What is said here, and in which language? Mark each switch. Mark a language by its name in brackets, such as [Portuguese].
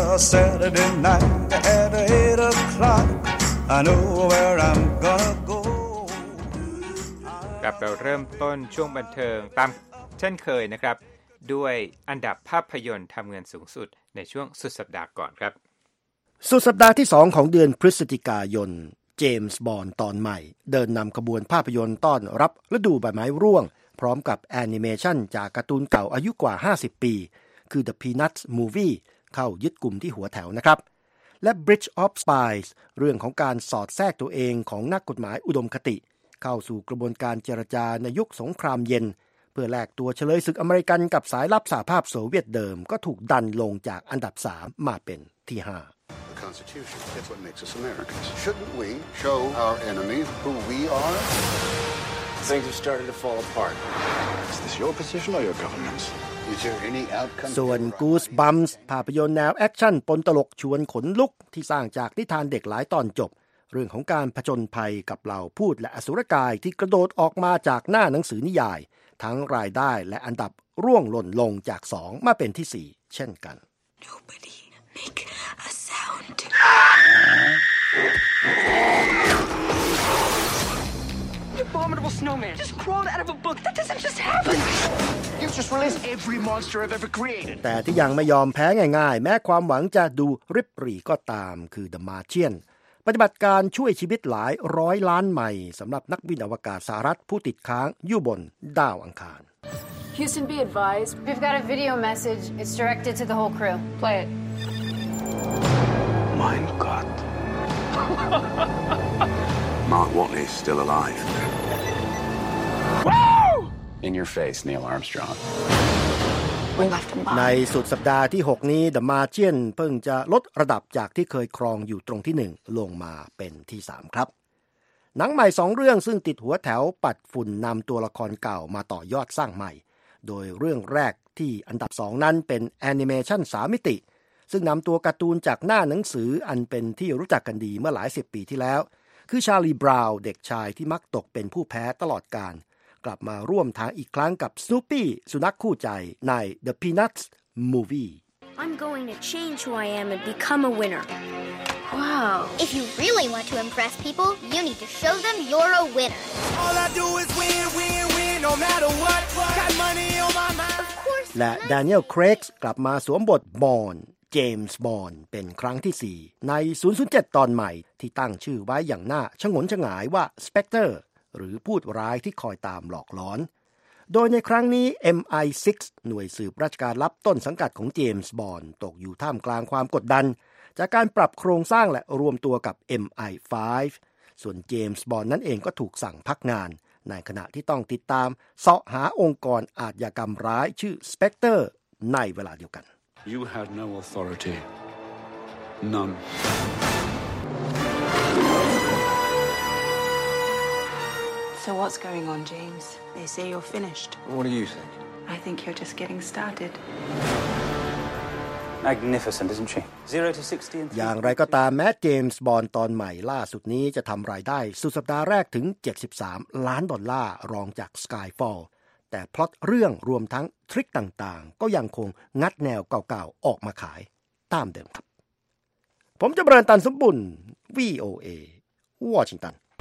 [English] Saturday night at 8 o'clock. I know where I'm gonna go. [Thai] กลับไปเริ่มต้นช่วงบันเทิงตามเช่นเคยนะครับด้วยอันดับภาพยนตร์ทำเงินสูงสุดในช่วงสุดสัปดาห์ก่อนครับ สุดสัปดาห์ที่2ของเดือนพฤศจิกายนเจมส์บอนด์ตอนใหม่เดินนำขบวนภาพยนตร์ต้อนรับฤดูใบไม้ร่วงพร้อมกับแอนิเมชันจากการ์ตูนเก่าอายุกว่า50ปีคือ The Peanuts Movie เข้ายึดกลุ่มที่หัวแถวนะครับ และ Bridge of Spies เรื่องของการสอดแทรกตัวเองของนักกฎหมายอุดมคติเข้าสู่กระบวนการเจรจาในยุคสงครามเย็นเพื่อแลกตัวเฉลยศึกอเมริกันกับสายลับสหภาพโซเวียตเดิมก็ถูกดันลงจากอันดับ3มาเป็นที่5 [English] The Constitution is what makes us Americans. Shouldn't we show our enemies who we are? Things have started to fall apart. Is this your position or your government's? Is there any outcome? [Thai] ส่วน Goosebumps ภาพยนตร์แนวแอคชั่นปนตลกชวนขนลุกที่สร้างจากนิทานเด็กหลายตอนจบเรื่องของการผจญภัยกับเหล่าพูดและอสุรกายที่กระโดดออกมาจากหน้าหนังสือนิยายทั้งรายได้และอันดับร่วงหล่นลงจาก2มาเป็นที่4เช่นกัน [English] Nobody make a sound. Abominable snowman just crawled out of a book. That doesn't just happen. You've just released every monster I've ever created. [Thai] แต่ที่ยังไม่ยอมแพ้ง่ายๆแม้ความหวังจะดูริบหรี่ก็ตามคือ The Martianปฏิบัติการช่วยชีวิตหลายร้อยล้านไมล์สำหรับนักบินอวกาศสหรัฐผู้ติดค้างอยู่บนดาวอังคาร [English] Houston, be advised. We've got a video message. It's directed to the whole crew. Play it. [German] Mein Gott. [English] Mark Watney is still alive. Woo! In your face, Neil Armstrong. [Thai] ในสุดสัปดาห์ที่6นี้ The Martian เพิ่งจะลดระดับจากที่เคยครองอยู่ตรงที่1ลงมาเป็นที่3ครับหนังใหม่2เรื่องซึ่งติดหัวแถวปัดฝุ่นนำตัวละครเก่ามาต่อยอดสร้างใหม่โดยเรื่องแรกที่อันดับ2นั้นเป็นแอนิเมชัน3มิติ ซึ่งนำตัวการ์ตูนจากหน้าหนังสืออันเป็นที่รู้จักกันดีเมื่อหลาย10ปีที่แล้วคือชาร์ลีบราวน์เด็กชายที่มักตกเป็นผู้แพ้ตลอดกาลกลับมาร่วมทางอีกครั้งกับสโนปี้สุนัขคู่ใจใน The Peanuts Movie [English] I'm going to change who I am and become a winner. Wow. If you really want to impress people, you need to show them you're a winner. All I do is win, win, win, no matter what. Got money on my mind. Of course. [Thai] และ Daniel Craig กลับมาสวมบท Bond James Bond เป็นครั้งที่4ใน007ตอนใหม่ที่ตั้งชื่อไว้อย่างน่าฉงนฉงายว่า Spectreหรือพูดร้ายที่คอยตามหลอกหลอนโดยในครั้งนี้ MI6 หน่วยสืบราชการลับต้นสังกัดของเจมส์บอนด์ตกอยู่ท่ามกลางความกดดันจากการปรับโครงสร้างและรวมตัวกับ MI5 ส่วนเจมส์บอนด์นั่นเองก็ถูกสั่งพักงานในขณะที่ต้องติดตามเสาะหาองค์กรอาชญากรรมร้ายชื่อ Spectre ในเวลาเดียวกัน [English] You had no authority None So what's going on, James? They say you're finished. What do you think? I think you're just getting started. Magnificent, isn't she? 0 to 60. [Thai] อย่างไรก็ตามแม้เจมส์บอนด์ตอนใหม่ล่าสุดนี้จะทำรายได้สุดสัปดาห์แรกถึง73ล้านดอลลาร์รองจาก Skyfall แต่พล็อตเรื่องรวมทั้งทริคต่างๆก็ยังคงงัดแนวเก่าๆออกมาขายตามเดิมครับผมจะเบรนตันสมบุญ VOA วอชิงตัน